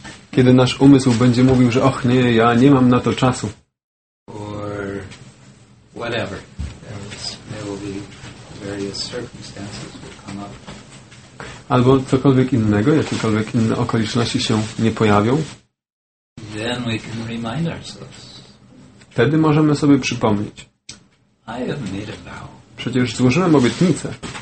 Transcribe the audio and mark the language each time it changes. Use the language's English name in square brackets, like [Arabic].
[Polish] Kiedy nasz umysł będzie mówił, że och nie, ja nie mam na to czasu. [English] Or whatever. There will be various circumstances will come up. [Polish] Albo cokolwiek innego, jakiekolwiek inne okoliczności się nie pojawią. [English] Then we can remind ourselves. [Polish] Wtedy możemy sobie przypomnieć. [English] I have made a vow. [Polish] Przecież złożyłem obietnicę.